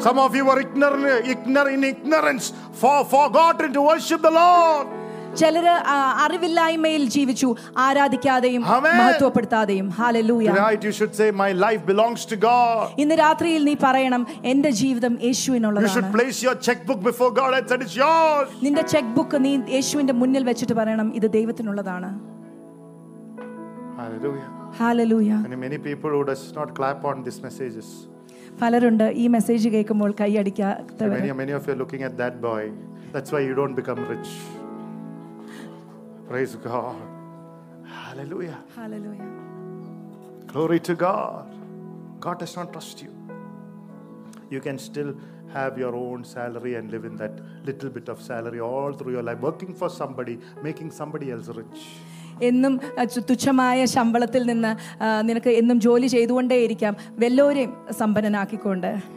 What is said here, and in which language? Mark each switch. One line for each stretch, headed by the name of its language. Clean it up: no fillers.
English: Some of you are ignorant for forgotten to worship the Lord.
Malayalam: ചിലര് അറിവില്ലായ്മയിൽ ജീവിച്ചു ആരാധിക്കാതെയും മഹത്വപ്പെടുത്താതെയും.
English: ഹല്ലേലൂയ. My life belongs to God.
Malayalam: ഇന്ന് രാത്രിയിൽ നീ പറയണം എന്റെ ജീവിതം യേശുവിനുള്ളതാണ്.
English: You should place your checkbook before God and say it's yours.
Malayalam: നിന്റെ chequebook നീ യേശുവിന്റെ മുന്നിൽ വെച്ചിട്ട് പറയണം ഇത് ദൈവത്തിനുള്ളതാണ്.
English: Hallelujah. Hallelujah. And many people who does not clap on these messages.
Malayalam: പലരുണ്ട് ഈ മെസ്സേജ് കേൾക്കുമ്പോൾ കൈ അടിക്കാത്തവർ.
English: Many of you are looking at that boy. That's why you don't become rich. Praise God. Hallelujah. Hallelujah. Glory to God. God does not trust you. You can still have your own salary and live in that little bit of salary all through your life, working for somebody, making somebody else rich.
Malayalam: എന്നും തുച്ഛമായ ശമ്പളത്തിൽ നിന്ന് നിനക്ക് എന്നും ജോലി ചെയ്തുകൊണ്ടേ ഇരിക്കാം വല്ലോരെയും സമ്പന്നനാക്കിക്കൊണ്ട്.